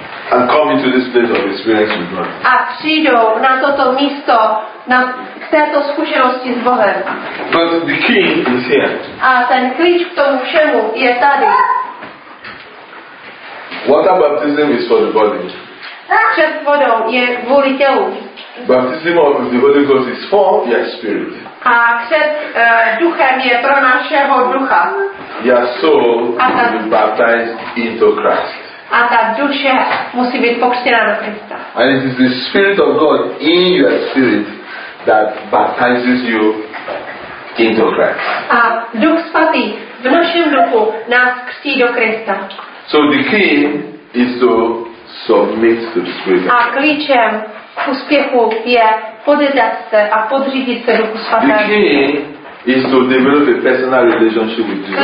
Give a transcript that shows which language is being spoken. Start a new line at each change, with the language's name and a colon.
English: And come into this place of experience with God.
Czech: A přijdou na toto místo, na k této zkušenosti s Bohem.
English: But the key is here.
Czech: A ten klíč k tomu všemu je tady.
English: Water baptism is for the body.
Czech: Křest vodou je kvůli tělu.
English: Baptism of the Holy Ghost is for your spirit.
Czech: A křest duchem je pro našeho ducha.
English: Your soul will be baptized into Christ.
Czech: A ta duše musí být pokřtěna do Krista.
English: And it is the Spirit of God in your spirit that baptizes you into Christ.
Czech: A Duch Svatý v našem duchu nás křtí do Krista.
English: So the key is to submit to the Spirit.
Czech: A klíčem k úspěchu je podedat se a podřídit se Duchu Svatému.
English: Is to develop a personal relationship with Jesus.